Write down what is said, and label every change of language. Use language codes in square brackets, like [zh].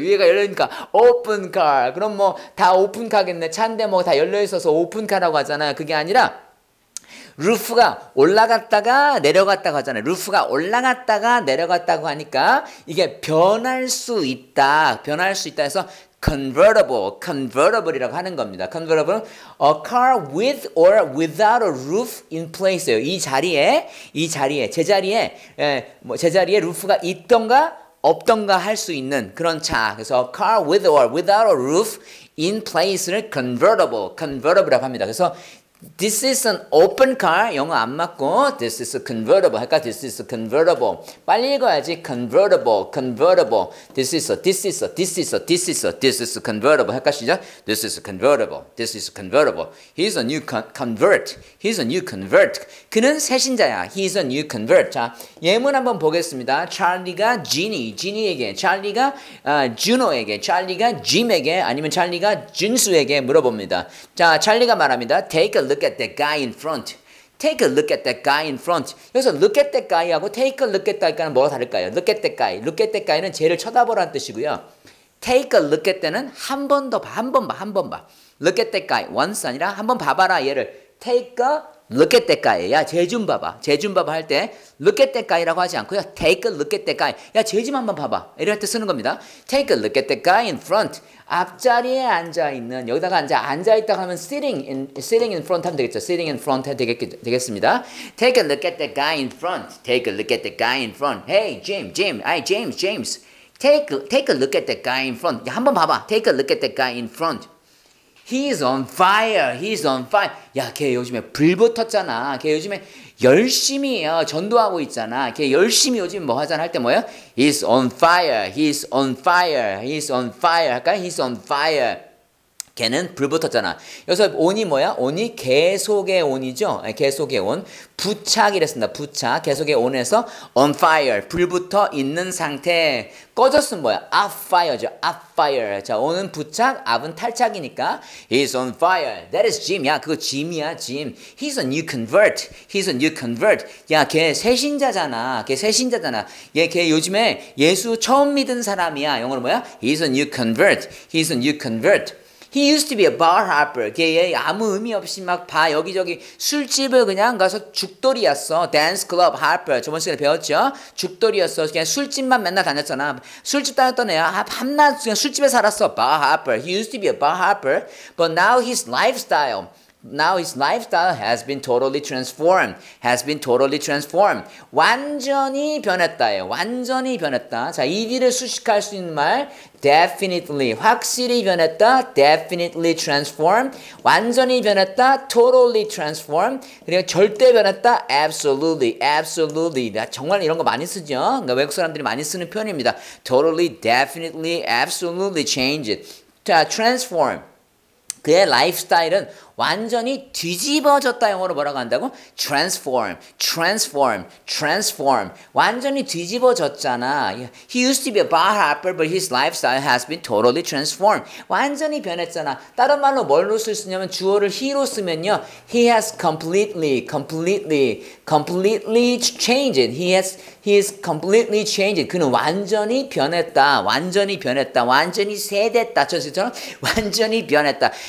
[ko] 위에가 열려있으니까 open car. 그럼 뭐 다 open car겠네. 차인데 뭐 다 열려있어서 open car라고 하잖아요. 그게 아니라 루프가 올라갔다가 내려갔다고 하잖아요. 루프가 올라갔다가 내려갔다고 하니까 이게 변할 수 있다. 변할 수 있다 해서 convertible, convertible이라고 하는 겁니다. [en] convertible, a car with or without a roof in place예요. [ko] 이 자리에, 제자리에, 제자리에 루프가 있던가 없던가 할 수 있는 그런 차. 그래서 a car with or without a roof in place를 convertible, convertible이라고 합니다. [en] 그래서 This is an open car. [ko] 영어 안 맞고 [en] This is a convertible. 할까? This is a convertible. [ko] 빨리 읽어야지. [en] Convertible, convertible. This is a, this is a, this is a, this is a, this is a convertible. 할까? 시작. This is a convertible. This is a convertible. He's a new convert. He's a new convert. [ko] 그는 새신자야. [en] He's a new convert. [ko] 자, 예문 한번 보겠습니다. 찰리가 지니, 지니에게, 찰리가 준호에게, 찰리가 짐에게, 아니면 찰리가 준수에게 물어봅니다. 자, 찰리가 말합니다. [en] Take a look at that guy in front. Take a look at that guy in front. 여기서 look at that guy하고 take a look at that guy는 [ko] 뭐가 다를까요? [en] Look at that guy. Look at that guy는 쟤를 쳐다보라는 뜻이고요. Take a look at that는 한 번 더 봐. 한 번 봐. 한 번 봐. Look at that guy. [ko] Once 아니라 한 번 봐봐라 얘를. [en] Take a look at that guy. [ko] 야, 쟤 좀 봐봐. [en] 쟤 좀 봐봐 할 때 look at that guy라고 [ko] 하지 않고요. [en] Take a look at that guy. [ko] 야, 쟤 좀 한번 봐봐. 이럴 때 쓰는 겁니다. [en] Take a look at that guy in front. [ko] 앞자리에 앉아있는, 여기다가 앉아있다고 하면 sitting in front 하면 되겠죠. sitting in front 되겠습니다. [en] Take a look at the guy in front. Take a look at the guy in front. Hey, James. Take a look at the guy in front. [ko] 야, 한번 봐봐. [en] Take a look at the guy in front. He's on fire. He's on fire. [ko] 야, 걔 요즘에 불 붙었잖아. 걔 요즘에 열심히 전도하고 있잖아. 걔 열심히 요즘 뭐 하잖아 할 때 뭐예요? [en] He's on fire. He's on fire. He's on fire. [ko] 할까요? [en] He's on fire. [ko] 걔는 불 붙었잖아. 여기서 on이 뭐야? on이 계속의 on이죠. 계속의 on. 부착이랬습니다. 부착. 계속의 on에서 on fire. 불 붙어 있는 상태. 꺼졌으면 뭐야? off fire죠. off fire. [en] 자, on은 부착, off은 탈착이니까. He's on fire. That is Jim. [ko] 야, 그거 [en] Jim이야, Jim. He's a new convert. He's a new convert. [ko] 야, 걔 새신자잖아. 걔 새신자잖아. 얘, 걔 요즘에 예수 처음 믿은 사람이야. 영어로 뭐야? [en] He's a new convert. He's a new convert. He used to be a bar hopper. [ko] 걔 아무 의미 없이 막 봐. 여기저기 술집을 그냥 가서 죽돌이었어. Dance club hopper. 저번 시간에 배웠죠? 죽돌이었어. 그냥 술집만 맨날 다녔잖아. 술집 다녔던 애야. 밤낮 그냥 술집에 살았어. [en] Bar hopper. He used to be a bar hopper. But now his lifestyle has been totally transformed. Has been totally transformed. [ko] 완전히 변했다예요. 완전히 변했다. 자, 이 일을 수식할 수 있는 말. [en] Definitely. [ko] 확실히 변했다. [en] Definitely transformed. [ko] 완전히 변했다. [en] Totally transformed. [ko] 그리고 절대 변했다. Absolutely. Absolutely. 야, 정말 이런 거 많이 쓰죠? 그러니까 외국 사람들이 많이 쓰는 표현입니다. [en] Totally, definitely, absolutely changed. 자, transform. 그의 라이프 스타일은 [ko] 완전히 뒤집어졌다 영어로 뭐라고 한다고? [en] Transform, transform, transform. [ko] 완전히 뒤집어졌잖아. [en] He used to be a bar hopper, but his lifestyle has been totally transformed. [ko] 완전히 변했잖아. 다른 말로 뭘로 쓸 수 있냐면 주어를 he로 쓰면요. [en] He has completely, completely, completely changed. He is completely changed. [ko] 그는 완전히 변했다. 완전히 변했다. 완전히 세대다. 저처럼 완전히 변했다.